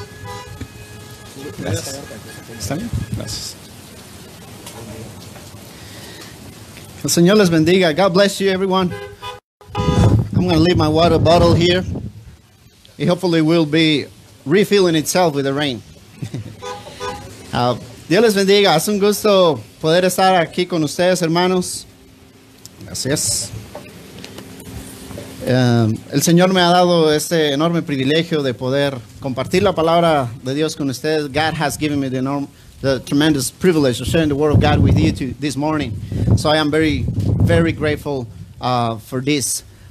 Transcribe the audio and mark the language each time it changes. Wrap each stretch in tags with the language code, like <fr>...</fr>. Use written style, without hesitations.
<es>Gracias. Gracias. ¿Está bien? Gracias. El Señor les bendiga.</es> <en>God bless you, everyone. I'm going to leave my water bottle here. It hopefully will be refilling itself with the rain.</en> <es>Dios les bendiga. Es un gusto poder estar aquí con ustedes, hermanos. Gracias. El Señor me ha dado este enorme privilegio de poder compartir la palabra de Dios con ustedes.</es> <en>God has given me the tremendous privilege of sharing the word of God with you this morning. So I am very, very grateful for this.</en>